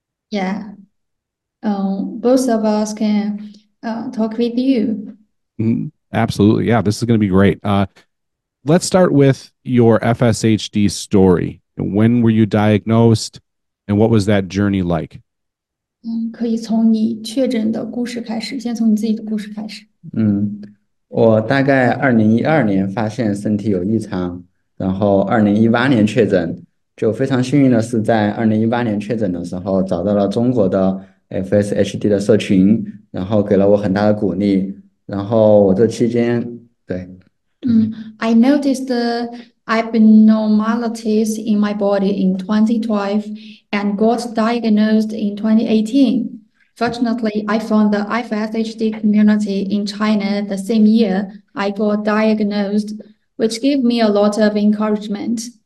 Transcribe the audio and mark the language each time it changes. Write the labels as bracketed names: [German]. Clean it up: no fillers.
[English] Yeah. Both of us can talk with you. Absolutely. Yeah, this is going to be great. Let's start with your FSHD story. When were you diagnosed, and what was that journey like? [Chinese] 可以从你确诊的故事开始，先从你自己的故事开始。我大概 2012年发现身体有异常， 然后2018年确诊， 就非常幸运的是在 2018年确诊的时候 找到了中国的FSHD的社群， 然后给了我很大的鼓励， 然后我这期间， 对。 [English] I noticed the abnormalities in my body in 2012 and got diagnosed in 2018. Fortunately, I found the FSHD community in China the same year I got diagnosed, which gave me a lot of encouragement.